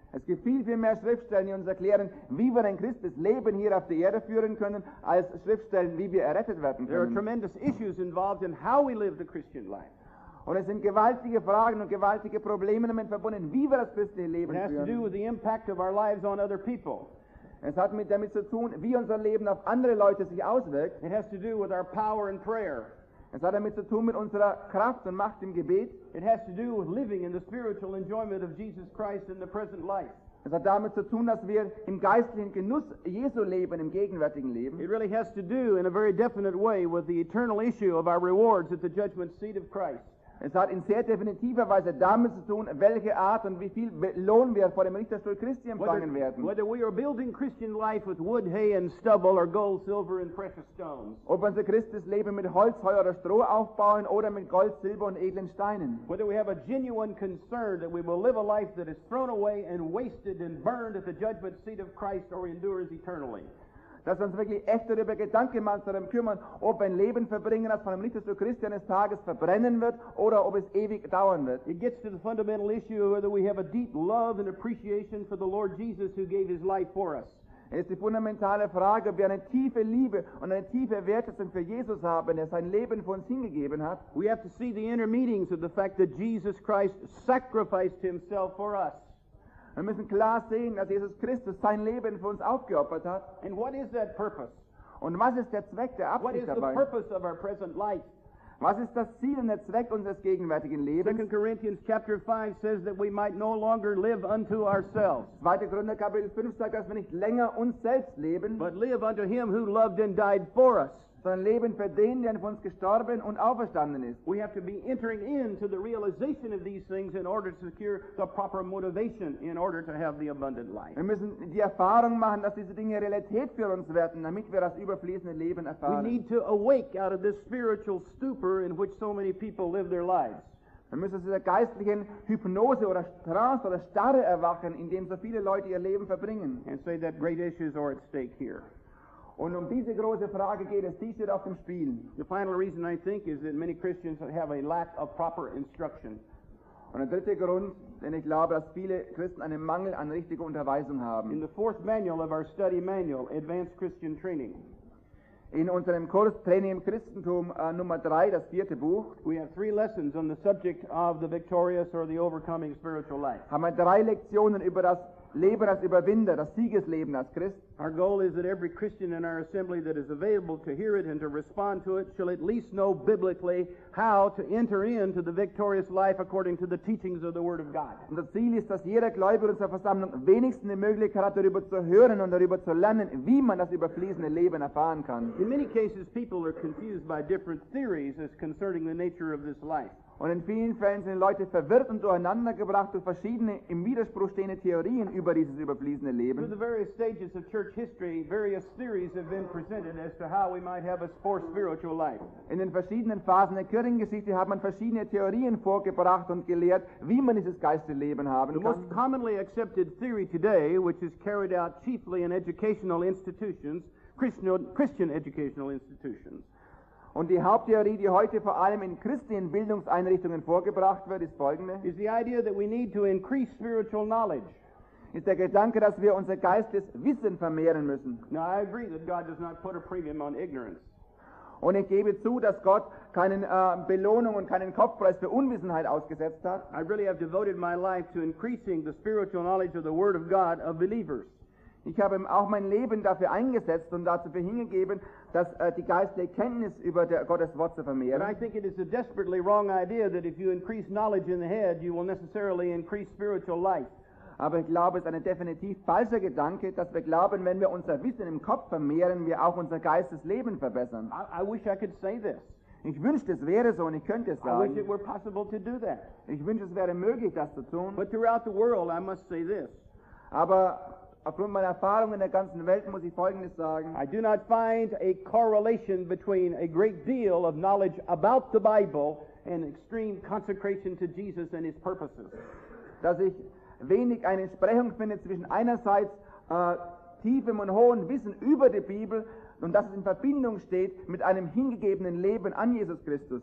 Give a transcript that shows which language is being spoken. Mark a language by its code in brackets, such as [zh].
[de] Es gibt viel, viel mehr Schriftstellen, die uns erklären, wie wir ein christliches Leben hier auf der Erde führen können, als Schriftstellen, wie wir errettet werden können. [en] There are tremendous issues involved in how we live the Christian life. [de] Und es sind gewaltige Fragen und gewaltige Probleme damit verbunden, wie wir das christliche Leben führen. [en] It has to do with the impact of our lives on other people. [de] Es hat damit zu tun, wie unser Leben auf andere Leute sich auswirkt. [en] It has to do with our power and prayer. [de] Es hat damit zu tun mit unserer Kraft und Macht im Gebet. [en] It has to do with living in the spiritual enjoyment of Jesus Christ in the present life. [de] Es hat damit zu tun, dass wir im geistlichen Genuss Jesu leben, im gegenwärtigen Leben. [en] It really has to do in a very definite way with the eternal issue of our rewards at the judgment seat of Christ. [de] Es hat in sehr definitiver Weise damit zu tun, welche Art und wie viel Lohn wir vor dem Richterstuhl Christi empfangen werden. [en] Whether we are building Christian life with wood, hay and stubble or gold, silver and precious stones. [de] Ob unser Christus Leben mit Holz, Heu oder Stroh aufbauen oder mit Gold, Silber und edlen Steinen. [en] Whether we have a genuine concern that we will live a life that is thrown away and wasted and burned at the judgment seat of Christ or endures eternally. [de] Dass wir uns wirklich echt darüber Gedanken machen, darum kümmern, ob ein Leben verbringen, das von einem Richterstuhl Christi eines Tages verbrennen wird oder ob es ewig dauern wird. [en] It gets to the fundamental issue of whether we have a deep love and appreciation for the Lord Jesus who gave his life for us. [de] Es ist die fundamentale Frage, ob wir eine tiefe Liebe und eine tiefe Wertschätzung für Jesus haben, der sein Leben für uns hingegeben hat. [en] We have to see the inner meanings of the fact that Jesus Christ sacrificed himself for us. [de] Wir müssen klar sehen, dass Jesus Christus sein Leben für uns aufgeopfert hat. [en] And what is that purpose? [de] Und was ist der Zweck der Absicht dabei? [en] What is the purpose of our present life? [de] Was ist das Ziel und der Zweck unseres gegenwärtigen Lebens? [en] 2 Corinthians chapter 5 says that we might no longer live unto ourselves. [de] 2. Korinther Kapitel 5 sagt, dass wir nicht länger uns selbst leben, [en] but live unto him who loved and died for us. [de] sondern leben für den, der für uns gestorben und auferstanden ist. [en] We have to be entering into the realization of these things in order to secure the proper motivation in order to have the abundant life. [de] Wir müssen die Erfahrung machen, dass diese Dinge Realität für uns werden, damit wir das überfließende Leben erfahren. [en] We need to awake out of this spiritual stupor in which so many people live their lives. [de] Wir müssen aus dieser geistlichen Hypnose oder Trance oder Starre erwachen, in dem so viele Leute ihr Leben verbringen. [en] And say that great issues are at stake here. [de] Und diese große Frage geht es, die steht auf dem Spiel. [en] The final reason I think is that many Christians have a lack of proper instruction. [de] Und der dritte Grund, denn ich glaube, dass viele Christen einen Mangel an richtiger Unterweisung haben. [en] In the fourth manual of our study manual, Advanced Christian Training. [de] In unserem Kurs Training im Christentum Nummer 3, das vierte Buch, [en] we have three lessons on the subject of the victorious or the overcoming spiritual life. [de] Haben wir drei Lektionen über das Leben als Überwinder, das Siegesleben als Christ. [en] Our goal is that every Christian in our assembly that is available to hear it and to respond to it shall at least know biblically how to enter into the victorious life according to the teachings of the Word of God. [de] Und das Ziel ist, dass jeder Gläubige in unserer Versammlung wenigstens die Möglichkeit hat, darüber zu hören und darüber zu lernen, wie man das überfließende Leben erfahren kann. [en] In many cases, people are confused by different theories as concerning the nature of this life. [de] Und in vielen Fällen sind Leute verwirrt und durcheinander gebracht durch verschiedene im Widerspruch stehende Theorien über dieses überfließende Leben. [en] Through the various stages of church history, various theories have been presented as to how we might have a more spiritual life. [de] In den verschiedenen Phasen der Kirchengeschichte hat man verschiedene Theorien vorgebracht und gelehrt, wie man dieses geistige Leben haben kann. [en] The most commonly accepted theory today, which is carried out chiefly in educational institutions, Christian educational institutions. [de] Und die Haupttheorie, die heute vor allem in christlichen Bildungseinrichtungen vorgebracht wird, ist folgende. [en] Is the idea that we need to increase spiritual knowledge. [de] Ist der Gedanke, dass wir unser geistiges Wissen vermehren müssen. [en] Now I agree that God does not put a premium on ignorance. [de] Und ich gebe zu, dass Gott keinen Belohnung und keinen Kopfpreis für Unwissenheit ausgesetzt hat. [en] I really have devoted my life to increasing the spiritual knowledge of the Word of God of believers. [de] Ich habe auch mein Leben dafür eingesetzt und dazu für hingegeben, dass die geistliche Kenntnis über Gottes Wort zu vermehren. [en] But I think it is a desperately wrong idea that if you increase knowledge in the head, you will necessarily increase spiritual life. [de] Aber ich glaube, es ist ein definitiv falscher Gedanke, dass wir glauben, wenn wir unser Wissen im Kopf vermehren, wir auch unser geistiges Leben verbessern. [en] I wish I could say this. [de] Ich wünschte, es wäre so und ich könnte es sagen. [en] I wish it were possible to do that. [de] Ich wünschte, es wäre möglich, das zu tun. [en] But throughout the world, I must say this. [de] Aber aufgrund meiner Erfahrung in der ganzen Welt muss ich Folgendes sagen. [en] I do not find a correlation between a great deal of knowledge about the Bible and extreme consecration to Jesus and his purposes. [de] Dass ich wenig eine Entsprechung finde zwischen einerseits tiefem und hohem Wissen über die Bibel und dass es in Verbindung steht mit einem hingegebenen Leben an Jesus Christus.